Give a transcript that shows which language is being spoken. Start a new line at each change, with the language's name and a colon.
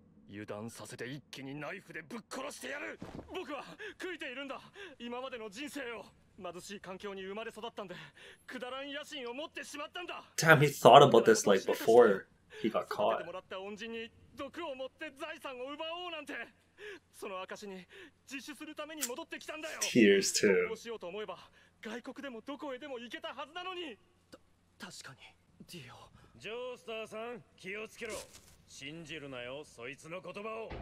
Japanese: 油断させて一気にナイフでぶっ殺してやる。僕は悔いているんだ。今までの人生を貧しい環境に生まれ育ったんで、くだらん野心を持ってしまったんだ。
English: Damn, he thought about this like before he got caught.
Japanese: もらった恩人に毒を持って財産を奪おうなんて。その証に自首するために戻ってきたんだよ。
English: Tears too.
Japanese: どうしようと思えば外国でもどこへでも行けたはずなのに。確かに。ディオ。ジョースターさん、気をつけろ。信じるなよ、そいつの言葉を。